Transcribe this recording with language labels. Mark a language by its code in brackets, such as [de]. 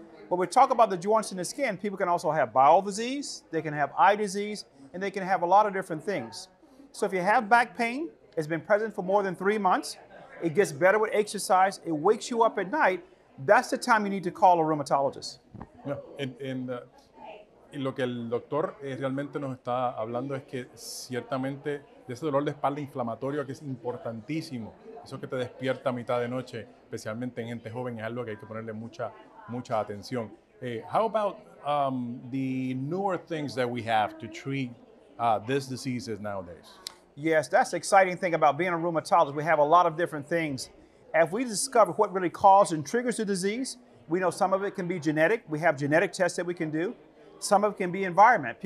[en] But we talk about the joints in the skin, people can also have bowel disease, they can have eye disease, and they can have a lot of different things. So if you have back pain, it's been present for more than 3 months, it gets better with exercise, it wakes you up at night, that's the time you need to call a rheumatologist. [es] Yeah, y lo que el doctor realmente nos está hablando es que ciertamente de ese dolor de espalda inflamatorio que es importantísimo, eso que te despierta a mitad de noche, especialmente en gente joven, es algo que hay que ponerle mucha atención. [en] How about the newer things that we have to treat these diseases nowadays? Yes, that's the exciting thing about being a rheumatologist. We have a lot of different things. If we discover what really causes and triggers the disease, we know some of it can be genetic. We have genetic tests that we can do. Some of it can be environment.